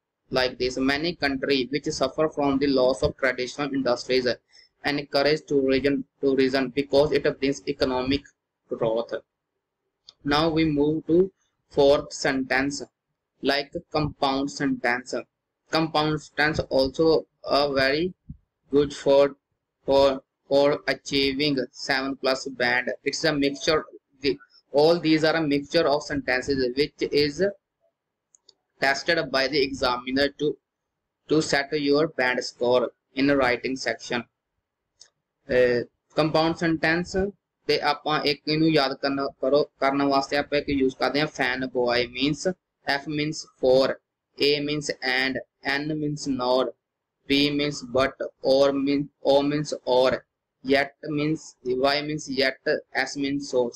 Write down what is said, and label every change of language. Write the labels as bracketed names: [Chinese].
[English] Like this, many country which suffer from the loss of traditional industries and encourage tourism because it brings economic growth. Now we move to fourth sentence, like compound sentence. Compound sentence also a very good for for for achieving 7+ band. It's a mixture, all these are a mixture of sentences which is tested by the examiner to set your band score in a writing section. Compound sentence [Punjabi] ਤੇ ਆਪਾਂ ਇੱਕ ਇਹਨੂੰ ਯਾਦ ਕਰਨ ਕਰੋ ਕਰਨ ਵਾਸਤੇ ਆਪਾਂ ਇੱਕ ਯੂਜ ਕਰਦੇ ਹਾਂ [English] FANBOYS means, F means for, A means and, N means nor, B means but, or means O means or, yet means, Y means yet, S means so.